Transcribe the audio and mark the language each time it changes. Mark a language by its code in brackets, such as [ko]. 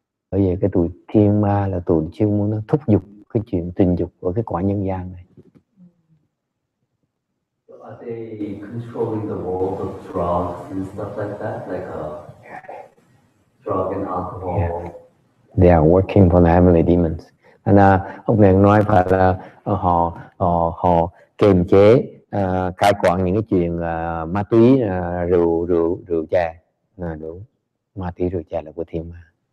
[vi] Bởi vì cái tụi thiên ma là tụi chuyên muốn nó thúc giục cái chuyện tình dục ở cái quả nhân gian này. [en] Are they controlling the world of drugs and stuff like that? Like drug and alcohol? Yeah. They are working for the heavenly demons. [vi] And ông này nói phải là họ kiềm chế cai quản những cái chuyện ma túy rượu chè. Đúng. Ma túy rượu chè là của thiên ma.